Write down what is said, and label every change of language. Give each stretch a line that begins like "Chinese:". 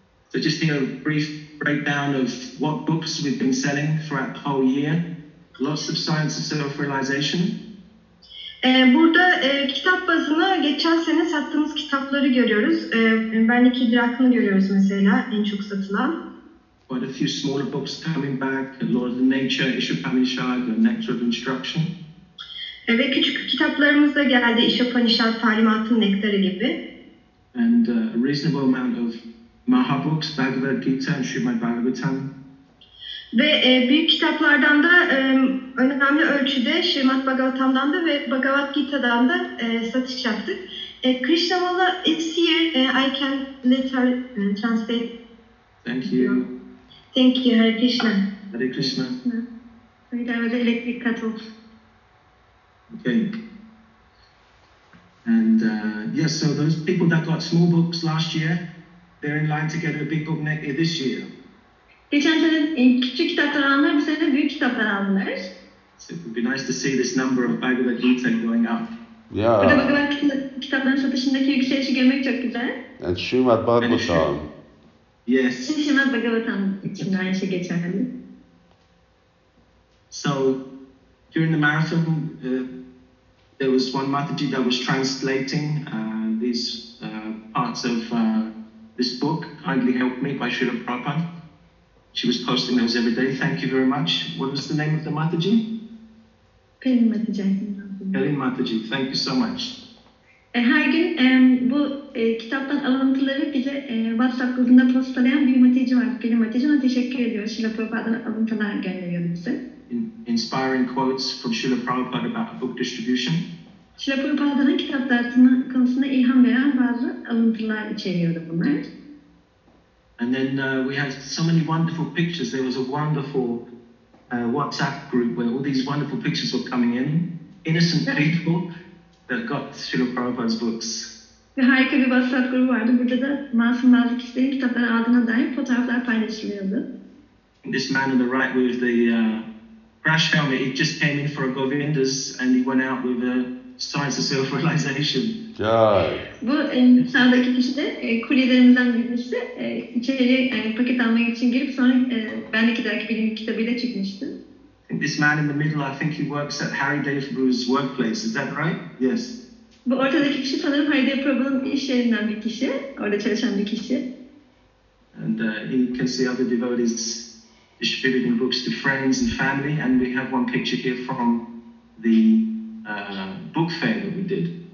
English: So just a brief breakdown of what books we've been selling throughout the whole year. Lots of science of self-realization.
Turkish: Burada kitap bazını geçen sene sattığımız kitapları görüyoruz. Benlik idrakını görüyoruz mesela, en çok satılan.
English: Quite a few smaller books coming back, The Laws of Nature, Ishapanishad, The Nectar of Instruction.
Turkish: Ve küçük kitaplarımız da geldi, Ishapanishad, Talimatın Nektarı gibi.
English: And a reasonable amount of Maha books, Bhagavad Gita and Srimad Bhagavatam.
Turkish: Ve büyük kitaplardan da önemli ölçüde Srimad Bhagavatam'dan da ve Bhagavad Gita'dan da satış yaptık.
English: Krishnamala, it's here. I can let her translate. Thank you. Thank you, Hare Krishna. Hare Krishna.
Turkish: Hare elektrik katıldı.
English: Okay. And yes, so those people that got small books last year, they're in line to get a big book next this year.
Turkish: Geçen sene küçük kitaplar aldılar, bu sene büyük kitaplar aldılar.
English: So it would be nice to see this number of Bhagavad Gita going up. Yeah.
Turkish: Burada Bhagavad Gita kitapların satışındaki yükselişi görmek çok güzel.
English: And Srimad Bhagavatam. Yes.
Turkish: Şrimad Bhagavatam için aynı şey geçerli.
English: So, during the marathon, there was one Mataji that was translating these parts of this book, Kindly Help Me by Srila Prabhupada. She was posting those every day. Thank you very much. What was the name of the Mataji? Pelin Mataji. Pelin Mataji. Thank you so much.
Turkish: Her gün bu kitaptan alıntıları bize WhatsApp grubunda postalayan bir Mataji var. Pelin Mataji'ye teşekkür ediyoruz. Srila Prabhupada'dan alıntılar gönderiyor bize.
English: Inspiring quotes from Srila Prabhupada about book distribution.
Turkish: Srila Prabhupada'nın kitap dağıtımı konusunda ilham veren bazı alıntılar içeriyordu bunlar.
English: And then we had so many wonderful pictures. There was a wonderful WhatsApp group where all these wonderful pictures were coming in. Innocent people that got Srila Prabhupada's books.
Turkish: Bir harika bir WhatsApp grubu vardı. Burada da masum bazı kişilerin kitapları adına dair fotoğraflar paylaşılıyordu.
English: This man on the right with the crash helmet, he just came in for a Govindas and he went out with a signs of self-realization. Yeah.
Turkish: Bu sağdaki kişi de kulelerimizden birisi içeri paket almak için girip sonra bendeki derki bilimi kitabıyla çıkmıştı.
English: This man in the middle, I think he works at Harry Dave Prabhu's workplace, is that right? Yes.
Turkish: Bu ortadaki kişi sanırım Harry Dave Prabhu'nun iş yerinden bir kişi, orada çalışan bir kişi.
English: And he can see other devotees distributing books to friends and family, and we have one picture here from the book fair that we did.